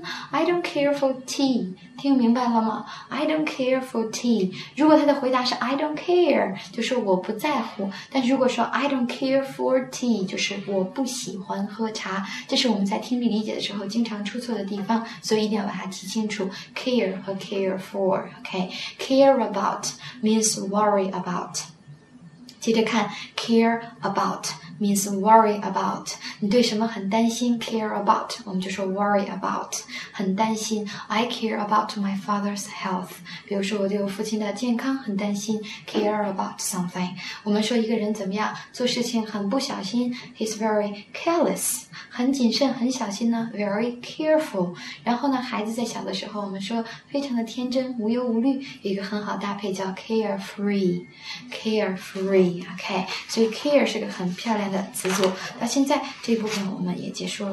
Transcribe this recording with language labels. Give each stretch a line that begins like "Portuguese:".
English: I don't care for tea
Chinese: 听明白了吗
English: I don't care
Chinese: for tea 如果他的回答是 I don't care 就是我不在乎但如果说 I don't care for tea 就是我不喜欢喝茶这是我们在听力理解的时候经常出错的地方所以一定要把它记清楚 care 和 care for OK
English: care about meansWorry about.
Chinese: 接着看
English: care about means worry about.
Chinese: 你对什么很担心 ？
English: Care about，
Chinese: 我们就说
English: worry about，
Chinese: 很担心。
English: I care about my father's health.
Chinese: 比如说我对我父亲的健康很担心 ，
English: care about something.
Chinese: 我们说一个人怎么样，做事情很不小心 ，
English: he's very careless.
Chinese: 很谨慎很小心呢
English: very careful
Chinese: 然后呢孩子在小的时候我们说非常的天真无忧无虑有一个很好搭配叫 carefree OK 所以 care 是个很漂亮的词组到现在这一部分我们也结束了